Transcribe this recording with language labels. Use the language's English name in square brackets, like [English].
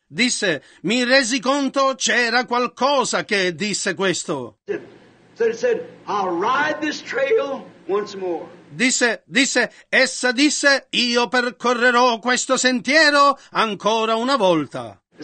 [Italian] Disse, mi resi conto c'era qualcosa che disse questo. [English] Said, I'll ride this trail once more. [Italian] Disse, essa disse, io percorrerò questo sentiero ancora una volta.